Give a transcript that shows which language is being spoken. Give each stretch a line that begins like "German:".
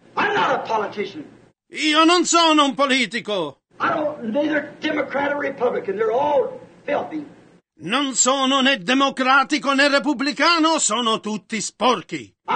English: I'm not a politician.
Italian: Io non sono un politico.
English: I don't, neither Democrat or Republican, they're all filthy.
Italian: Non sono né democratico né repubblicano, sono tutti sporchi.